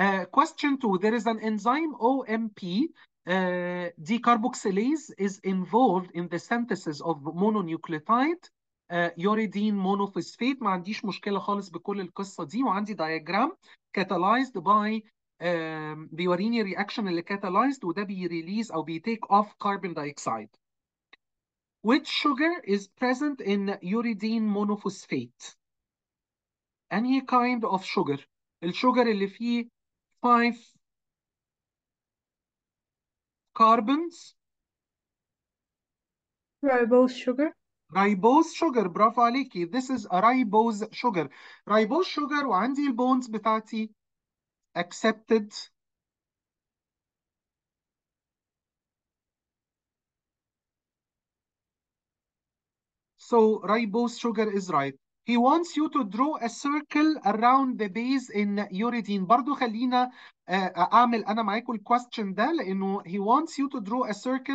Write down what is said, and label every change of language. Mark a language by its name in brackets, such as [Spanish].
[English] Question 2, there is an enzyme OMP decarboxylase is involved in the synthesis of mononucleotide uridine monophosphate. [Arabic] ما عنديش مشكلة خالص بكل القصة دي وعندي diagram [English] catalyzed by [Arabic] بيوريني reaction اللي catalyzed وده بيريليز أو بيتake off carbon dioxide. [English] Which sugar is present in uridine monophosphate? Any kind of sugar? الشوجر [Arabic] اللي فيه [English] 5 carbons? Ribose sugar. Ribose sugar, [Arabic] برافو عليكي. [English] This is a ribose sugar. Ribose sugar [Arabic] وعندي البونز بتاعتي [English] accepted. So ribose sugar is right. He wants you to draw a circle around the base in uridine. [Arabic] برضو خلينا أعمل أنا معاكم الكويستشن ده لأنه [English] he wants you to draw a circle.